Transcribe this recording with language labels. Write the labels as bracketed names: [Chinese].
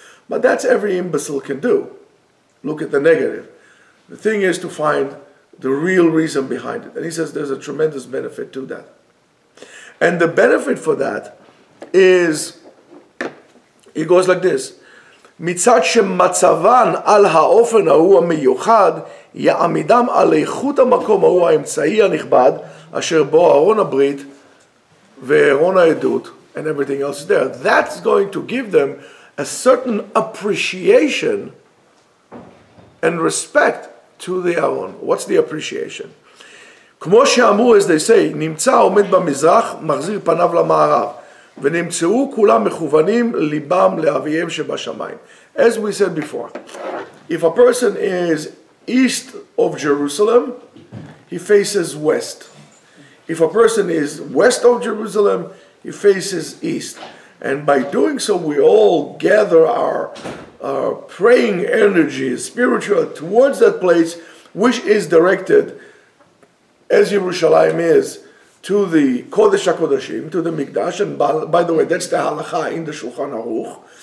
[English] But that's every imbecile can do. Look at the negative. The thing is to find the real reason behind it. And he says there's a tremendous benefit to that. And the benefit for that is, it goes like this. [Hebrew] מצד שמצבן על האופן ההוא המיוחד יעמידם על איכות המקום ההוא האמצעי הנכבד אשר בו ארון הברית וארון העדות [English] and everything else is there. That's going to give them a certain appreciation and respect to the ארון. What's the appreciation? [Hebrew] כמו שאמרו, [English] as they say, [Hebrew] נמצא עומד במזרח, מחזיר פניו למערב. ונמצאו כולם מכוונים ליבם לאביהם שבשמיים. [English] As we said before, if a person is east of Jerusalem, he faces west. If a person is west of Jerusalem, he faces east. And by doing so, we all gather our praying energy, spiritual, towards that place, which is directed, as Yerushalayim is, to the Kodesh HaKodeshim, to the Mikdash, and by the way, that's the halakha in the Shulchan Aruch.